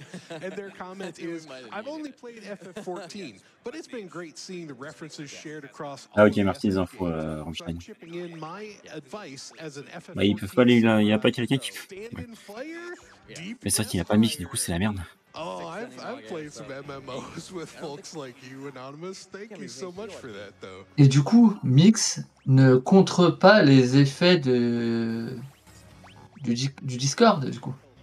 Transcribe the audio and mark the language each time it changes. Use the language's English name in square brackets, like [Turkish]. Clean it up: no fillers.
[English] And their comment is, I've only played FF14, but it's been great seeing the references shared across. [French] Ah, ok, merci les infos, Rammstein. Bah, ils peuvent pas aller là, y a pas quelqu'un qui peut. Ouais. Mais c'est vrai qu'il a pas mis, du coup, c'est la merde. [English] Oh, I've played some MMOs with folks like you, Anonymous. Thank you so much for that, though. [French] Et du coup, Mix ne contre pas les effets de du Discord, du coup.